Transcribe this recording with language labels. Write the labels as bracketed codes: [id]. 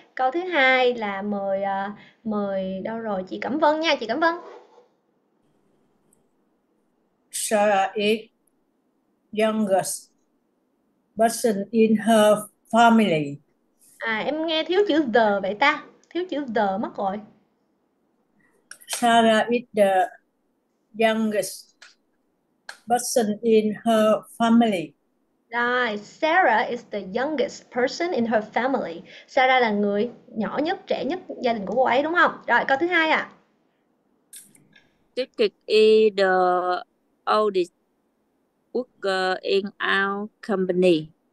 [vi] Câu thứ hai là mời mời đâu rồi, chị Cẩm Vân nha, chị Cẩm Vân. [en] Sarah is youngest person in her family. [vi] À, em nghe thiếu chữ the vậy ta? Thiếu chữ the mất rồi. [en] Sarah is the youngest person in her family. Rồi, Sarah is the youngest person in her family. [vi] Sarah là người nhỏ nhất, trẻ nhất gia đình của cô ấy đúng không? Rồi, câu thứ hai ạ. [en] Cricket is the oldest worker in our company.